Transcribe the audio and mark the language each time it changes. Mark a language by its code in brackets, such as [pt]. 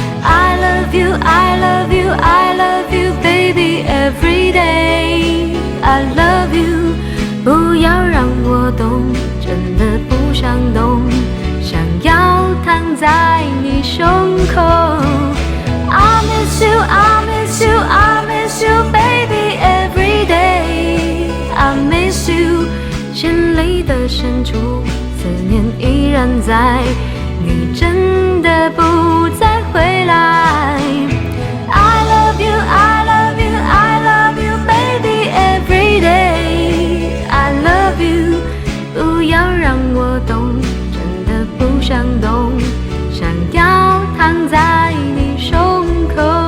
[en] I love you, I love you, I love you, baby, every day. I love you， [zh] 不要让我懂，真的不想懂，想要躺在你胸口。 [en] I miss you, I miss you, I miss you, baby, every day。 I miss you， [zh] 心里的深处思念依然在，你真的不再回来。 [en] I love you, I love you, I love you, baby, every day. I love you， [zh] 不要让我懂，真的不想懂，想要躺在你胸口。